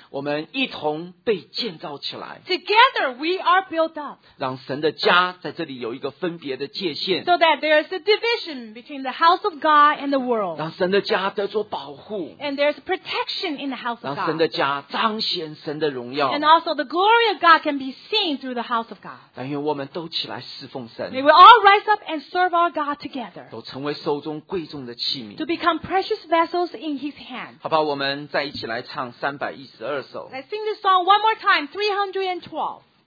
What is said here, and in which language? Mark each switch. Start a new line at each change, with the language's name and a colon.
Chinese: 我们一同被建造起来
English: together we are built up
Chinese: 让神的家在这里有一个分别的界限
English: so that there is a division between the house of God and the world
Chinese: 让神的家得着保护
English: and there is protection in the house of God
Chinese: 让神的家彰显神的荣耀
English: and also the glory of God can be seen through the house of God
Chinese: 但愿我们都起来侍奉神
English: may we all rise up and serve our God together
Chinese: 都成为手中贵重的器皿
English: to become precious Just vessels in his hand.
Chinese: 好吧，我们再一起来唱三百一十二首。
English: Let's sing this song one more time, 312.